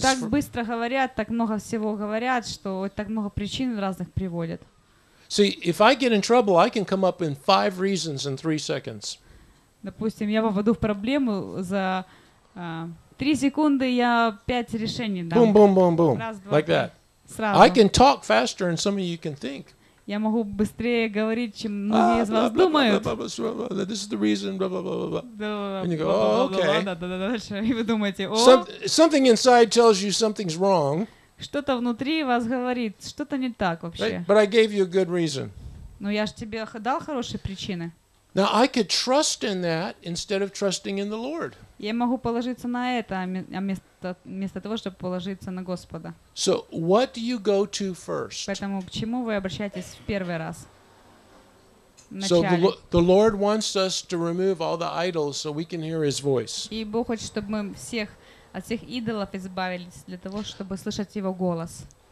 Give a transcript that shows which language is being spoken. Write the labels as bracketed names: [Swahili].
[Russian] Так быстро говорят, так много всего говорят, что так много причин разных приводят. [English] See, if I get in trouble, I can come up with 5 reasons in 3 seconds. [Russian] Допустим, я попаду в проблему за... 3 секунды я 5 решений дам. [English] Boom, boom, boom, boom. [Russian] Раз, два, [English] like that. [Russian] Сразу. [English] I can talk faster than some of you can think. [Russian] Я могу быстрее говорить, чем многие из вас думают. [English] This is the reason, blah, blah, blah, blah, blah. And you go, oh, okay. [Russian] И вы думаете, о. [English] Something inside tells you something's wrong. [Russian] Что-то внутри вас говорит, что-то не так вообще. [English] Right? But I gave you a good reason. [Russian] Но я же тебе дал хорошие причины. [English] Now I could trust in that instead of trusting in the Lord. [Russian] Я могу положиться на это, а вместо того, чтобы положиться на Господа. [English] So what do you go to first? [Russian] Поэтому к чему вы обращаетесь в первый раз? [English] So the Lord wants us to remove all the idols so we can hear His voice. [Russian] И Бог хочет, чтобы мы всех от всех идолов избавились для того, чтобы слышать Его голос.